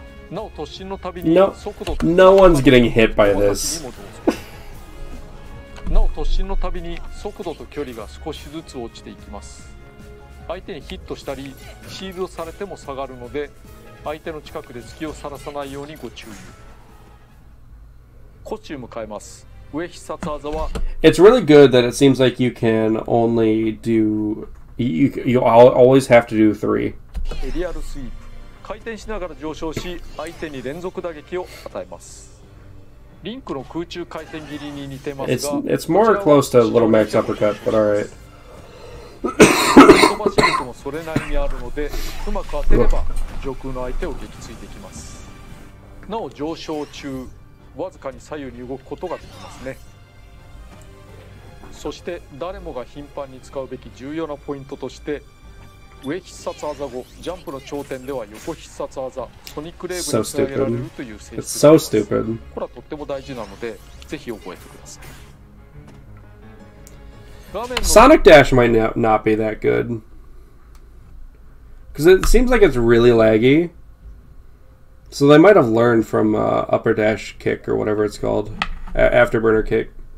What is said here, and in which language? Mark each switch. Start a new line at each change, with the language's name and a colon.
English: No one's getting hit by this.
Japanese: なお突進のたびに速度と距離が少しずつ落ちていきます。相手にヒットしたりシールドされても下がるので、相手の近くで隙をさらさないようにご注意。コチューム変えます。上必殺技は。
English: It's really good that it seems like you can only do you always have to do three.
Japanese: エリアルスイープ。回転しながら上昇し、相手に連続打撃を与えます。リンクの空中回転切りに似てますが、
English: It's more close to Little Max Uppercut, but alright.
Japanese: 飛ばしリンクのそれなりにあるので、うまく当てれば上空の相手を撃墜できます。なお上昇中、わずかに左右に動くことができますね。そして誰もが頻繁に使うべき重要なポイントとして、上必殺技後、ジャンプの頂点では横必殺技、ソニックレーブにつなげられるという性質があります。これはとっても大事なので、ぜひ覚えてください。
English: Sonic Dash might not be that good. Because it seems like it's really laggy. So they might have learned from Upper Dash Kick or whatever it's called. Afterburner Kick.